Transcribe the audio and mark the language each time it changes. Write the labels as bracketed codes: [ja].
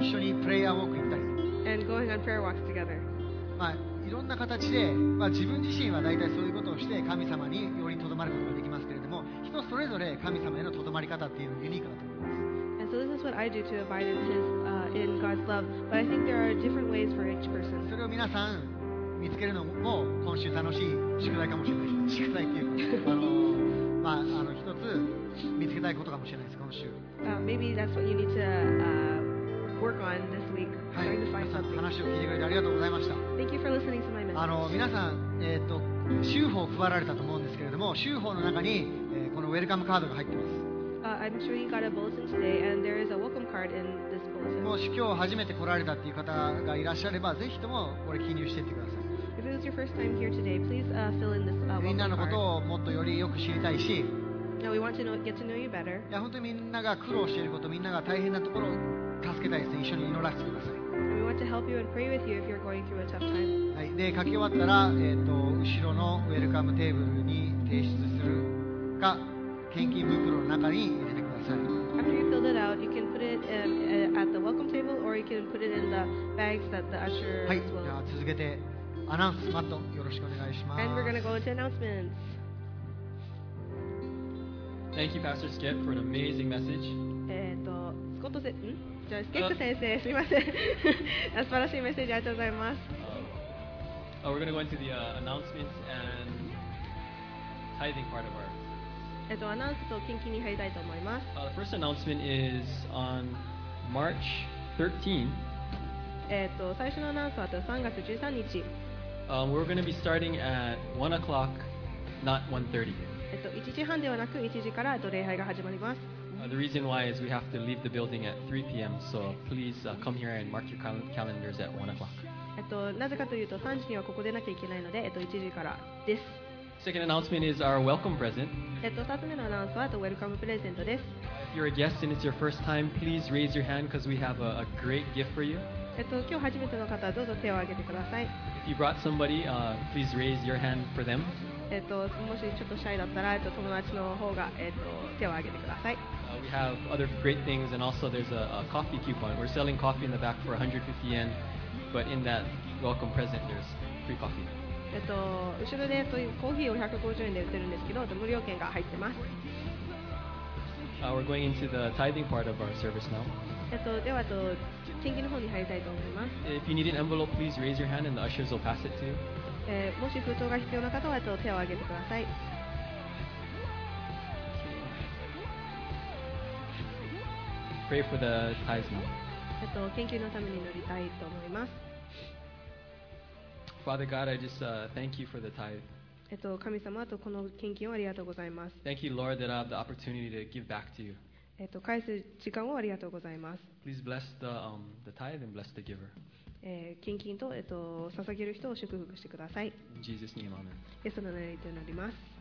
[ja] 一緒にプレイヤーウォーク行ったり。 [en] And going on prayer walks together. まあ。 [ja] いろんな形で、まあ、自分自身はだいたいそういうことをして神様によりとどまることができますけれども、人それぞれ神様へのとどまり方っていうのがユニークだと思います。 [en] And so this is what I do to abide in His, in God's love. But I think there are different ways for each person. [ja] それを皆さん見つけるのも今週楽しい宿題かもしれないです。宿題っていうまあ一つ見つけたいことかもしれないです。今週。 [en] Maybe that's what you need to work on this week. [ja] はい、皆さん話を聞いてくれてありがとうございました。 [en] Thank you for listening to my message. [ja] 皆さん、州法を配られたと思うんですけれども、州法の中に、このウェルカムカードが入っています。 [en] I'm sure you got a bulletin today, and there is a welcome card in this bulletin. [ja] もし今日初めて来られたっていう方がいらっしゃれば、ぜひともこれ記入していってください。 [en] If it was your first time here today, please fill in this welcome card. [ja] みんなのことをもっとよりよく知りたいし、 [en] Now we want to get to know you better. [ja] いや、本当にみんなが苦労していること、みんなが大変なところを助けたいですね。一緒に祈らせてください。はい、で書き終わったら、後ろのウェルカムテーブルに提出するか、献金袋の中に入れてください。 [en] After you filled it out, you can put it at the welcome table, or you can put it in the bags that the usher will. [ja] はい、じゃあ続けてアナウンスマットよろしくお願いします。 [en] And we're going to go into announcements. Thank you, Pastor Skip, for an amazing message. [ja] スコットセッんスケップ先生、すみません。素晴らしいメッセージありがとうございます。 [en] We're going to go into the announcements and tithing part of our service. [ja] アナウンスと献金に入りたいと思います。 [en] The first announcement is on March 13th. [ja] 最初のアナウンスは3月13日。 [en] We're going to be starting at 1 o'clock, not 1:30. [ja] 1時半ではなく1時から礼拝が始まります。 [en] The reason why is we have to leave the building at 3 p.m. So please come here and mark your calendars at 1 o'clock. [ja] なぜかというと3時にはここでなきゃいけないので、1時からです。 [en] Second announcement is our welcome present. [ja] 2つ目のアナウンスはウェルカムプレゼントです。 [en] If you're a guest and it's your first time, please raise your hand because we have a great gift for you. [ja] 今日初めての方はどうぞ手を挙げてください。 [en] If you brought somebody, please raise your hand for them. [ja] もしちょっとシャイだったら、友達の方が、手を挙げてください。 [en] We have other great things, and also there's a coffee coupon. We're selling coffee in the back for 150 yen, but in that welcome present, there's free coffee. [ja] 後ろでコーヒーを150円で売ってるんですけど、無料券が入ってます。 [en] We're going into the tithing part of our service now. [ja] では、献金の方に入りたいと思います。 [en] If you need an envelope, please raise your hand and the ushers will pass it to you. [ja] もし封筒が必要な方は、手を挙げてください。 [en] Pray for the tithes now. [ja] 献金のために乗りたいと思います。 [en] Father God, I just thank you for the tithe. [ja] 神様とこの献金をありがとうございます。 [en] Thank you, Lord, that I have the opportunity to give back to you. [ja] 返す時間をありがとうございます。 [en] Please bless the tithe and bless the giver. [ja] 献金と捧げる人を祝福してください。 [en] In Jesus' name, Amen. [ja] イエスの名前で祈ります。